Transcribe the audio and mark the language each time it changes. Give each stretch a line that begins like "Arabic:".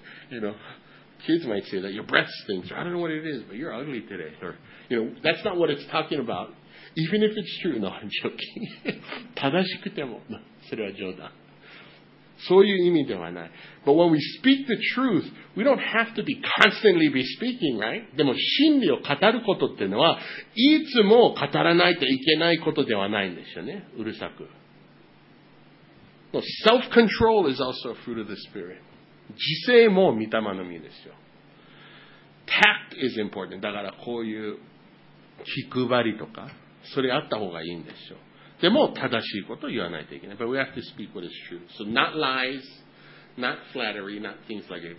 English: you know, kids might say that your breath stinks. I don't know what it is, but you're ugly today. Or, you know, that's not what it's talking about. Even if it's true, no, I'm joking.
Japanese: 正しくても、それは冗談。そういう意味ではない。
English: But when we speak the truth, we don't have to be constantly be speaking, right?
Japanese: でも真理を語ることっていうのは、いつも語らないといけないことではないんですよね。うるさく。
English: No, self-control is also a fruit of the Spirit.
Japanese: 自制も御霊の実ですよ。
English: Tact is important.
Japanese: だからこういう気配りとか、それあった方がいいんですよ。でも正しいことを言わないといけない。
English: But we have to speak what is true. So not lies, not flattery, not things like that.